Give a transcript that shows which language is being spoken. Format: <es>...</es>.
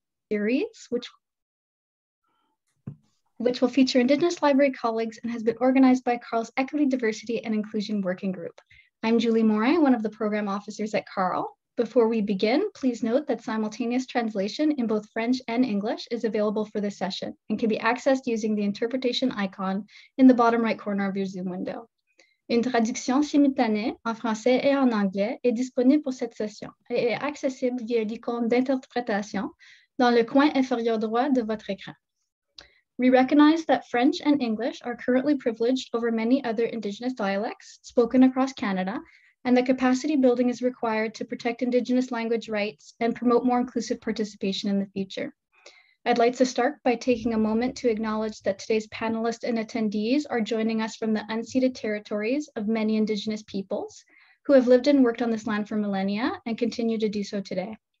<en>series, which will feature Indigenous library colleagues and has been organized by CARL's Equity, Diversity and Inclusion Working Group. I'm Julie Morey, one of the program officers at CARL. Before we begin, please note that simultaneous translation in both French and English is available for this session and can be accessed using the interpretation icon in the bottom right corner of your Zoom window.</en> <fr>Une traduction simultanée en français et en anglais est disponible pour cette session et est accessible via l'icône d'interprétation dans le coin inférieur droit de votre écran.</fr> <en>We recognize that French and English are currently privileged over many other Indigenous dialects spoken across Canada, and that capacity building is required to protect Indigenous language rights and promote more inclusive participation in the future. I'd like to start by taking a moment to acknowledge that today's panelists and attendees are joining us from the unceded territories of many Indigenous peoples who have lived and worked on this land for millennia and continue to do so today.</en>